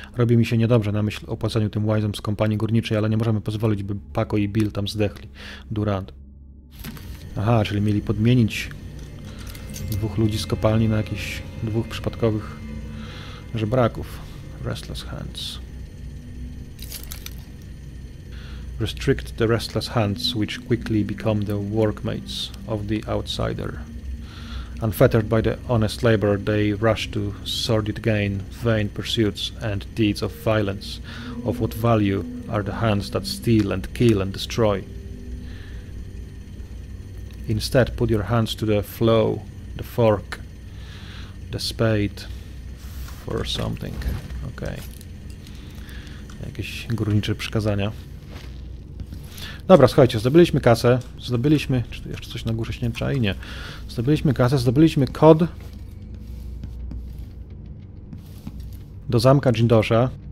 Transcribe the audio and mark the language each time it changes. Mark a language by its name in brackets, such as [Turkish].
[Polish] Robi mi się niedobrze na myśl o płaceniu tym łajzom z kompanii górniczej, ale nie możemy pozwolić, by Paco i Bill tam zdechli. Durant. Aha, czyli mieli podmienić dwóch ludzi z kopalni na jakichś dwóch przypadkowych żebraków. [English] Restless Hands. Restrict the restless hands, which quickly become the workmates of the outsider. Unfettered by the honest labor, they rush to sordid gain, vain pursuits and deeds of violence. Of what value are the hands that steal and kill and destroy? Instead, put your hands to the flow, the fork, the spade, for something. Okay. [Polish] jakieś górnicze przykazania. Dobra, słuchajcie, zdobyliśmy kasę, zdobyliśmy... Czy tu jeszcze coś na górze śnięcza? I nie. Zdobyliśmy kasę, zdobyliśmy kod do zamka Jindosha.